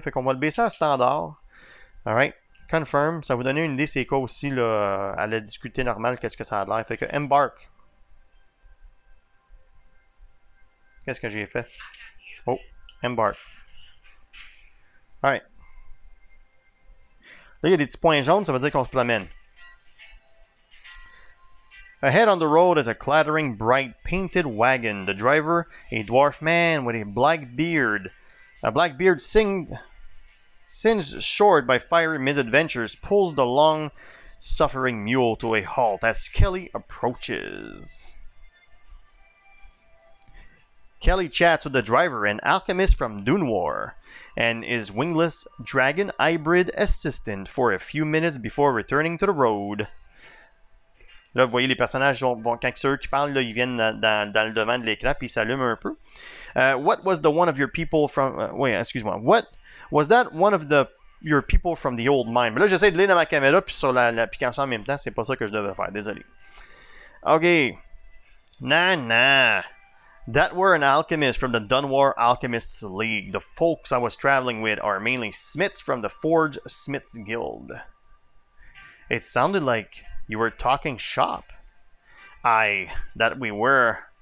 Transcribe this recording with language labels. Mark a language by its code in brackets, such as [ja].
[fr] Fait qu'on va le baisser à standard. Alright. Confirm, ça vous donne une idée, c'est quoi aussi là, à la difficulté normale, qu'est-ce que ça a l'air. Fait que embark. Qu'est-ce que j'ai fait? Oh, embark. Alright. Là, il y a des petits points jaunes, ça veut dire qu'on se promène. [en] Ahead on the road is a clattering bright painted wagon. The driver, a dwarf man with a black beard. A black beard singed short by fiery misadventures, pulls the long-suffering mule to a halt as Kelly approaches. Kelly chats with the driver, an alchemist from Dunwar, and his wingless dragon hybrid assistant for a few minutes before returning to the road. [fr] Là, vous voyez, les personnages, quand ceux qui parlent, là, ils viennent dans le devant de l'écran, puis ils s'allument un peu. [en] What was the one of your people from... [fr] excuse-moi. [en] What was that one of your people from the old mine? [fr] Mais là, j'essaie de lire dans ma caméra, puis sur l'application en même temps, c'est pas ça que je devais faire, désolé. OK. Nah, nah. [en] That were an alchemist from the Dunwar Alchemists League. The folks I was traveling with are mainly smiths from the Forge Smiths Guild. It sounded like... You were talking shop. Aye, that we were.